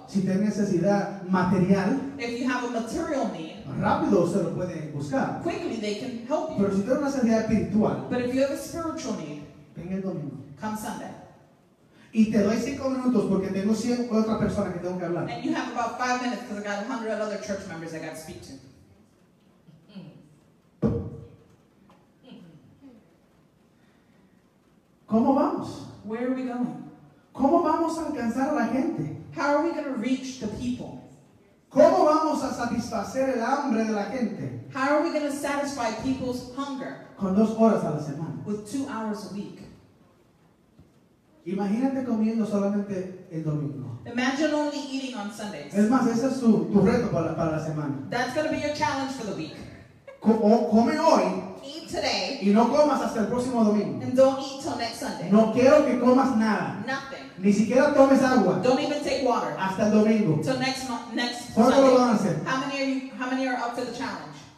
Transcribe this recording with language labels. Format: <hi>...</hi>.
<es>Si tienes necesidad material,</es> <en>if you have a material need,</en> <es>rápido se lo puede buscar.</es> <en>Quickly they can help you.</en> <es>Pero si tienes una necesidad espiritual,</es> <en>but if you have a spiritual need,</en> <es>ven el domingo.</es> <en>Come Sunday.</en> <es>Y te doy 5 minutos porque tengo 100 otras personas que tengo que hablar.</es> <en>And you have about 5 minutes because I got 100 other church members I got to speak to.</en> <es>¿Cómo vamos?</es> <en>Where are we going?</en> <es>¿Cómo vamos a alcanzar a la gente?</es> <en>How are we going to reach the people?</en> <es>¿Cómo vamos a satisfacer el hambre de la gente?</es> <en>How are we going to satisfy people's hunger?</en> <es>Con 2 horas a la semana.</es> <en>With 2 hours a week.</en> <es>Imagínate comiendo solamente el domingo.</es> <en>Imagine only eating on Sundays.</en> <es>Es más, ese es tu reto para la semana.</es> <en>That's going to be your challenge for the week.</en> <es>Come hoy.</es> <en>Eat today.</en> <es>Y no comas hasta el próximo domingo.</es> <en>And don't eat till next Sunday.</en> <es>No quiero que comas nada.</es> <en>Nothing.</en> <es>Ni siquiera tomes agua.</es> <en>Don't even take water.</en> <es>Hasta el domingo.</es> <en>Till next</en> <es>¿cuánto</es> <en>Sunday.</en> <es>¿Cuánto lo van a hacer?</es> <en>How many are up to the challenge?</en>